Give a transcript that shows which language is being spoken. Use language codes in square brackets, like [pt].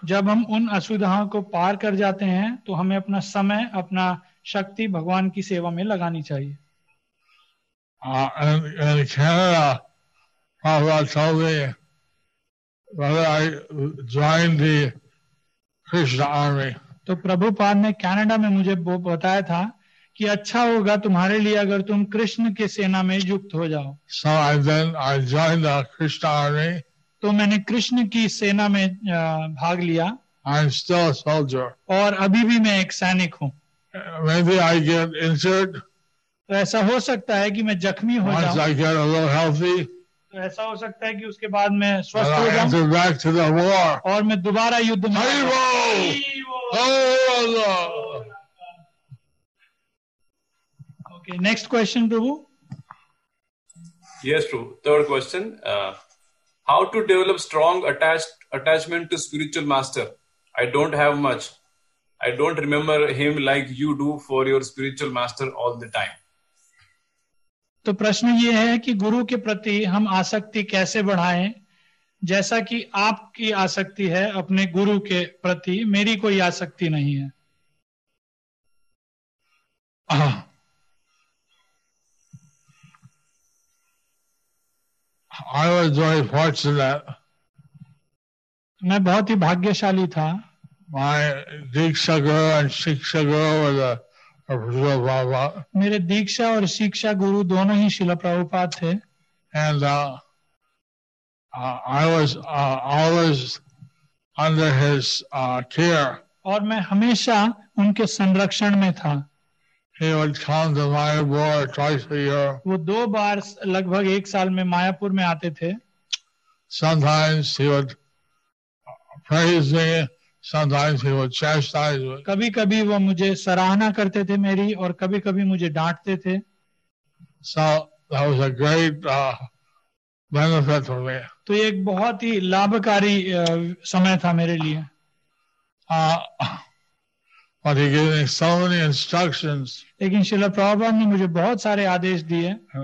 [hi] जब हम उन असुविधाओं को पार कर जाते हैं तो हमें अपना समय अपना शक्ति भगवान की सेवा में लगानी चाहिए. [en] In Canada, Prabhupada told me whether I joined the Krishna army. [hi] तो प्रभुपाद ने कनाडा में मुझे बताया था कि अच्छा होगा तुम्हारे लिए अगर तुम कृष्ण के सेना में युक्त हो जाओ. [en] So then I joined the Krishna army. [hi] तो मैंने कृष्ण की सेना में भाग लिया. [en] I'm still a soldier. [hi] और अभी भी मैं एक सैनिक हूँ. [en] Maybe I get injured. [hi] तो ऐसा हो सकता है कि मैं जख्मी हो जाऊँ. [en] Once I get a little healthy. [hi] तो ऐसा हो सकता है कि उसके बाद मैं स्वस्थ हो जाऊँ. [en] I enter back to the war. [hi] और मैं दोबारा युद्ध में. Hey, whoa! Hey, whoa! [en] Okay, next question, Prabhu. Yes, Prabhu. Third question. How to develop strong attachment to spiritual master? I don't have much. I don't remember him like you do for your spiritual master all the time. [hi] तो प्रश्न ये है कि गुरु के प्रति हम आसक्ति कैसे बढ़ाएं, जैसा कि आपकी आसक्ति है अपने गुरु के प्रति, मेरी कोई आसक्ति नहीं है। [en] I was very fortunate. [hi] मैं बहुत ही भाग्यशाली था। [en] My Diksha Guru and Shiksha Guru was a Srila Prabhupada. [hi] मेरे दीक्षा और शिक्षा गुरु दोनों ही शिला प्रभुपाद थे। [en] And I was always under his care. [hi] और मैं हमेशा उनके संरक्षण में था। [en] He would come to Mayapur twice a year. [hi] वो दो बार लगभग एक साल में मायापुर में आते थे। [en] Sometimes he would praise me, sometimes he would chastise me. [hi] कभी कभी वो मुझे सराहना करते थे मेरी और कभी कभी मुझे डांटते थे। [en] So that was a great benefit for me. [hi] तो एक बहुत ही लाभकारी समय था मेरे लिए। [en] But he gave me so many instructions. [hi] लेकिन श्रील प्रभुपाद ने मुझे बहुत सारे आदेश दिए।